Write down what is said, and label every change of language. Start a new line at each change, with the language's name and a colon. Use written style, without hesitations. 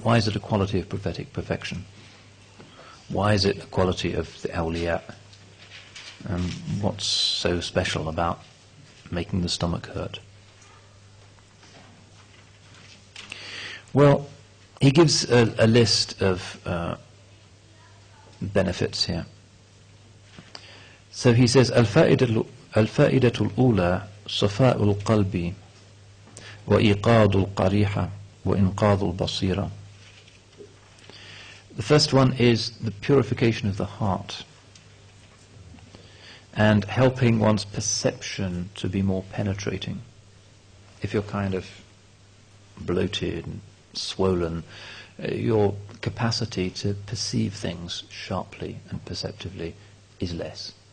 English: Why is it a quality of prophetic perfection? Why is it a quality of the awliya? What's so special about making the stomach hurt? Well, he gives a list of benefits here. So he says,
Arabic: الفائدة الأولى صفاء القلب وإيقاظ القريحة وإنقاذ البصيرة.
English: The first one is the purification of the heart and helping one's perception to be more penetrating. If you're kind of bloated and swollen, your capacity to perceive things sharply and perceptively is less.